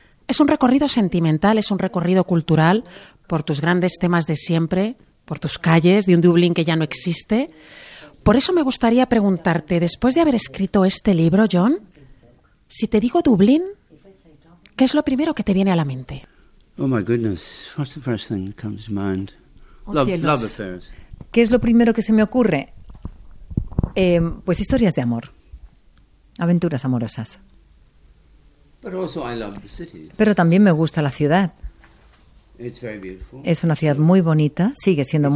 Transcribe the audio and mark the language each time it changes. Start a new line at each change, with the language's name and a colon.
Spanish: Es un recorrido sentimental, es un recorrido cultural por tus grandes temas de siempre, por tus calles, de un Dublín que ya no existe. Por eso me gustaría preguntarte, después de haber escrito este libro, John, si te digo Dublín, ¿qué es lo primero que te viene a la mente?
English: Oh my goodness, what's the first thing that comes to mind? Love affairs.
Spanish: ¿Qué es lo primero que se me ocurre? Pues historias de amor. Aventuras amorosas.
English: But also I love the city.
Spanish: Pero también me gusta la ciudad.
English: It's very beautiful.
Spanish: Es una ciudad muy bonita, sigue siendo
English: It's